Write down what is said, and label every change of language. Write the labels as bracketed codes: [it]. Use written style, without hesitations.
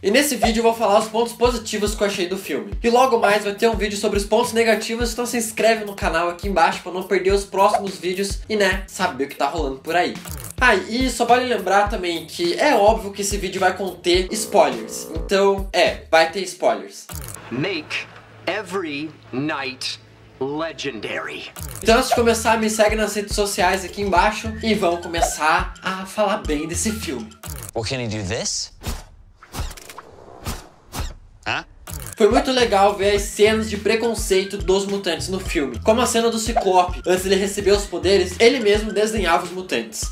[pt] E nesse vídeo eu vou falar os pontos positivos que eu achei do filme. E logo mais vai ter um vídeo sobre os pontos negativos, então se inscreve no canal aqui embaixo pra não perder os próximos vídeos e, né, saber o que tá rolando por aí. Ah, e só vale lembrar também que é óbvio que esse vídeo vai conter spoilers. Então, é, vai ter spoilers. [en] Make every night legendary. [pt] Então antes de começar, me segue nas redes sociais aqui embaixo e vamos começar a falar bem desse filme. [en] Well, can he do this? [pt] Foi muito legal ver as cenas de preconceito dos mutantes no filme. Como a cena do Ciclope, antes dele receber os poderes, ele mesmo desenhava os mutantes.